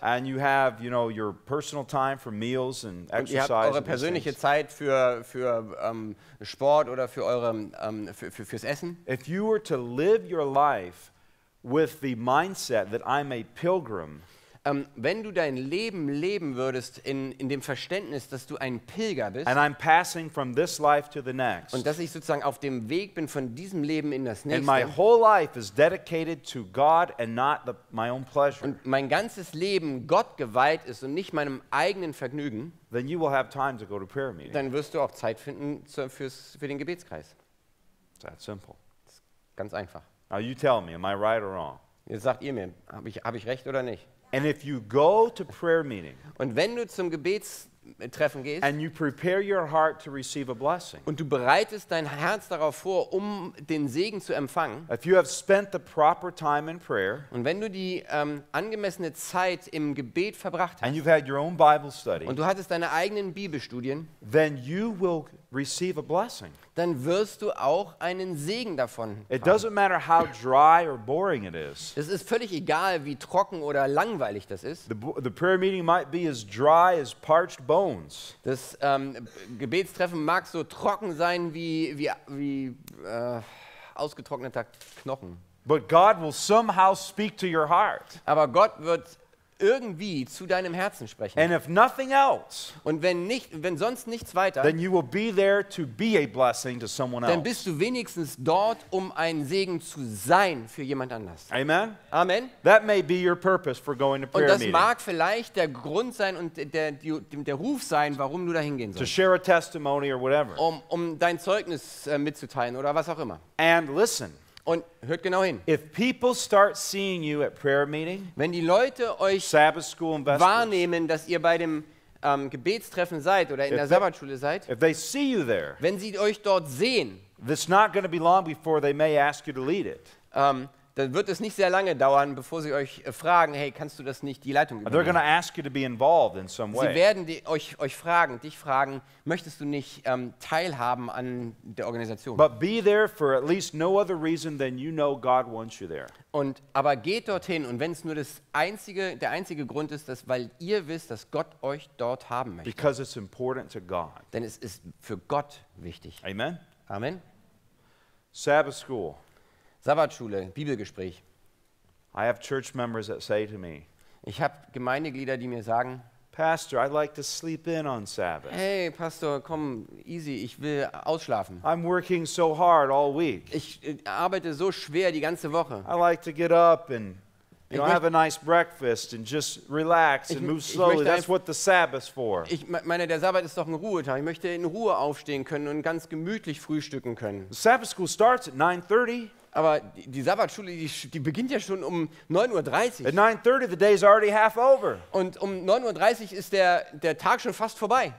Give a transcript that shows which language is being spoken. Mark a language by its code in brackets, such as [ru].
[en] and you have, you know, your personal time for meals and exercise, [de] und ihr habt eure persönliche Zeit für Sport oder für eure fürs Essen. [en] If you were to live your life with the mindset that I'm a pilgrim, [de] wenn du dein Leben leben würdest in dem Verständnis, dass du ein Pilger bist, [en] and I'm passing from this life to the next, [de] und dass ich sozusagen auf dem Weg bin von diesem Leben in das nächste, [en] and my whole life is dedicated to God and not my own pleasure, [de] und mein ganzes Leben Gott geweiht ist und nicht meinem eigenen Vergnügen, [en] then you will have time to go to prayer meeting. [de] Dann wirst du auch Zeit finden für den Gebetskreis. [en] That simple. [de] Das ist ganz einfach. [en] Now you tell me, am I right or wrong? [de] Jetzt sagt ihr mir, hab ich recht oder nicht? [en] And if you go to prayer meeting, [de] und wenn du zum Gebetstreffen gehst, [en] and you prepare your heart to receive a blessing, [de] und du bereitest dein Herz darauf vor, um den Segen zu empfangen, [en] if you have spent the proper time in prayer, [de] und wenn du die angemessene Zeit im Gebet verbracht hast, [en] and you've had your own Bible study, [de] und du hattest deine eigenen Bibelstudien, [en] then you will receive a blessing. [de] Dann wirst du auch einen Segen davon haben. [en] It doesn't matter how dry or boring it is. [de] Es ist völlig egal, wie trocken oder langweilig das ist. [en] The prayer meeting might be as dry as parched bones. [de] Das Gebetstreffen mag so trocken sein wie ausgetrockneter Knochen. [en] But God will somehow speak to your heart. [de] Aber Gott wird irgendwie zu deinem Herzen sprechen. [en] And if nothing else, [de] und wenn sonst nichts weiter, [en] then you will be there to be a blessing to someone else. [de] Dann bist du wenigstens dort, um ein Segen zu sein für jemand anders. [en] Amen. [de] Amen. [en] That may be your purpose for going to prayer meeting. [de] Und das mag vielleicht der Grund sein und der Ruf sein, warum du dahin gehen sollst. [en] To share a testimony or whatever. [de] Um dein Zeugnis mitzuteilen oder was auch immer. [en] And listen. [de] Und hört genau hin. [en] If people start seeing you at prayer meeting, [de] wenn die Leute euch [en] Sabbath school and Vespers [de] wahrnehmen, dass ihr bei dem Gebetstreffen seid oder in der Sabbatschule seid, [en] if they see you there, [de] wenn sie euch dort sehen, [en] it's not going to be long before they may ask you to lead it. [de] dann wird es nicht sehr lange dauern, bevor sie euch fragen, hey, kannst du das nicht die Leitung übernehmen? [en] They're going to ask you to be involved in some way. [de] Sie werden euch fragen, dich fragen, möchtest du nicht teilhaben an der Organisation? [en] But be there for at least no other reason than you know God wants you there. [de] Und aber geht dorthin und wenn es nur der einzige Grund ist, dass weil ihr wisst, dass Gott euch dort haben möchte. [en] Because it's important to God. [de] Denn es ist für Gott wichtig. [en] Amen. [de] Amen. [en] Sabbath school. [de] Sabbatschule, Bibelgespräch. [en] I have church members that say to me, [de] ich habe Gemeindeglieder, die mir sagen, [en] Pastor, I'd like to sleep in on Sabbath. [de] Hey, Pastor, komm, easy, ich will ausschlafen. [en] I'm working so hard all week. [de] Ich arbeite so schwer die ganze Woche. [en] I like to get up and have a nice breakfast and just relax and move slowly. That's what the Sabbath's for. [de] Ich meine, der Sabbat ist doch ein Ruhetag. Ich möchte in Ruhe aufstehen können und ganz gemütlich frühstücken können. [en] The Sabbath school starts at 9:30. [de] Aber die Sabbatschule, die beginnt ja schon um 9.30 Uhr. [en] At 9:30, the day's already half over. [de] Und um 9.30 Uhr ist der Tag schon fast vorbei.